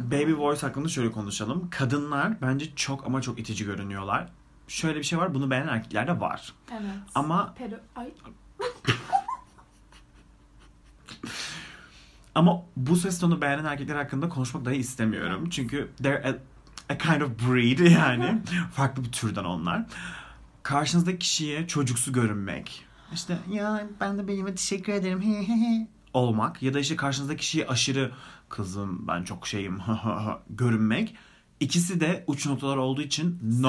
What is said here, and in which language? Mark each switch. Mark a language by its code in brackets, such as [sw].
[tr] Baby voice hakkında şöyle konuşalım. Kadınlar bence çok ama çok itici görünüyorlar. Şöyle bir şey var, bunu beğenen erkekler de var. Evet. Ama... ama bu ses tonu beğenen erkekler hakkında konuşmak dahi istemiyorum. Evet. Çünkü [en] they're a kind of breed [tr] yani. Farklı bir türden onlar. Karşınızdaki kişiye çocuksu görünmek. İşte ya ben de benimle teşekkür ederim. Olmak. Ya da işte karşınızdaki kişiye aşırı kızım ben çok şeyim görünmek. İkisi de uç noktalar olduğu için [en] no.